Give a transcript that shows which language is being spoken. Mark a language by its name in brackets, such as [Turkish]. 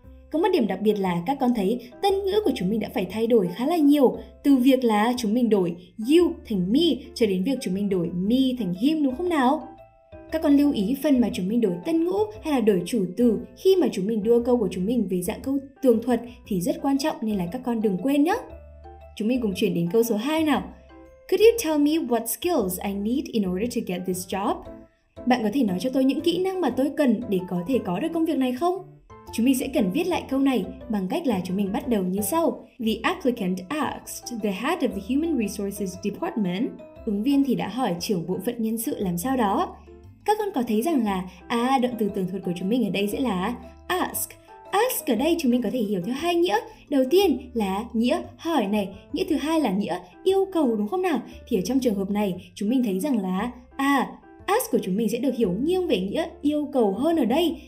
[Vietnamese] Có một điểm đặc biệt là các con thấy tân ngữ của chúng mình đã phải thay đổi khá là nhiều từ việc là chúng mình đổi you thành me cho đến việc chúng mình đổi me thành him đúng không nào? Các con lưu ý phần mà chúng mình đổi tân ngữ hay là đổi chủ từ khi mà chúng mình đưa câu của chúng mình về dạng câu tường thuật thì rất quan trọng nên là các con đừng quên nhé. Chúng mình cùng chuyển đến câu số 2 nào. [English] Could you tell me what skills I need in order to get this job? [Vietnamese] Bạn có thể nói cho tôi những kỹ năng mà tôi cần để có thể có được công việc này không? Chúng mình sẽ cần viết lại câu này bằng cách là chúng mình bắt đầu như sau. [English] The applicant asked the head of the human resources department. [Vietnamese] Ứng viên thì đã hỏi trưởng bộ phận nhân sự làm sao đó. Các con có thấy rằng là động từ tường thuật của chúng mình ở đây sẽ là ask. Ask ở đây chúng mình có thể hiểu theo hai nghĩa. Đầu tiên là nghĩa hỏi này, nghĩa thứ hai là nghĩa yêu cầu đúng không nào? Thì ở trong trường hợp này chúng mình thấy rằng là ask của chúng mình sẽ được hiểu nghiêng về nghĩa yêu cầu hơn ở đây.